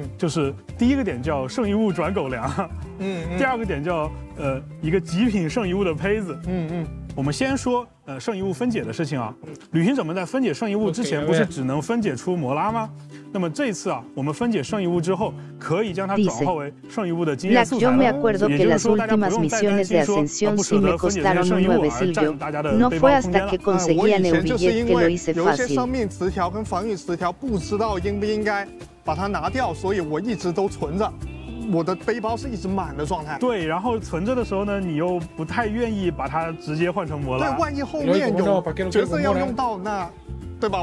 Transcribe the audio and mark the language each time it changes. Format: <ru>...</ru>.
<zh>就是第一个点叫圣遗物转狗粮。第二个点叫一个极品圣遗物的胚子。我们先说圣遗物分解的事情啊。旅行者们在分解圣遗物之前，不是只能分解出摩拉吗？那么这次啊，我们分解圣遗物之后，可以将它转化为圣遗物的经验素材了。</zh> <es>Yo me acuerdo que las últimas misiones de ascensión sí me costaron 9 silvio. No fue hasta que conseguí a Neubillet que lo hice fácil.</es> <zh>有些生命磁条跟防御磁条不知道应不应该把它拿掉，所以我一直都存着。我的背包是一直满的状态。对，然后存着的时候呢，你又不太愿意把它直接换成魔拉。对，万一后面有角色要用到，那对吧？</zh>